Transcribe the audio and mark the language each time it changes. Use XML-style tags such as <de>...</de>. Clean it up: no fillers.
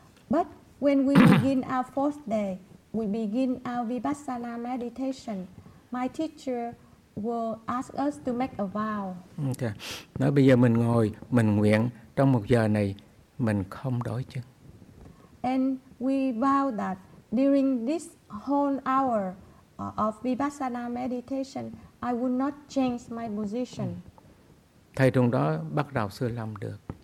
<en>But when we begin our fourth day, we begin our Vipassana meditation, my teacher will ask us to make a vow. Okay.</en> <vi>Nói bây giờ mình ngồi, mình nguyện trong một giờ này mình không đổi chân.</vi> <en>And we vow that during this whole hour of Vipassana meditation, I will not change my position.</en> <vi>Thầy trong đó bắt đầu sư làm được.</vi>